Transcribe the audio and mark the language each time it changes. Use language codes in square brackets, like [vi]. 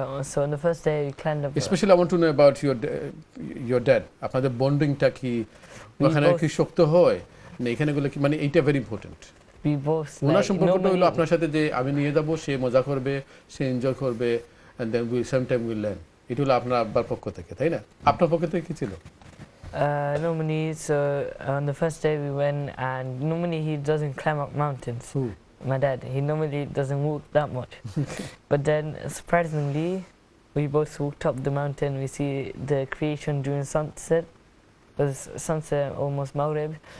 [en] So on the first day we climbed up. Especially I want to know about your dad. [bn] আপনাদের বন্ডিংটা কি ওখানে কি শক্ত হয় না এখানে গুলো কি, মানে এইটা [en] Very important. [bn] ওনার সম্পর্কটা হলো আপনার সাথে যে আমি নিয়ে যাব, সে মজা করবে, সে এনজয় করবে, [en] and then we same time will learn, [bn] এটা হলো আপনার আব্বার পক্ষ থেকে, তাই না? আপনার পক্ষ থেকে কি ছিল? [en] Normally, so on the first day we went and normally he doesn't climb up mountains. My dad, he normally doesn't walk that much. But then, surprisingly, we both walked up the mountain. We see the creation during sunset. It was sunset, almost Maghrib.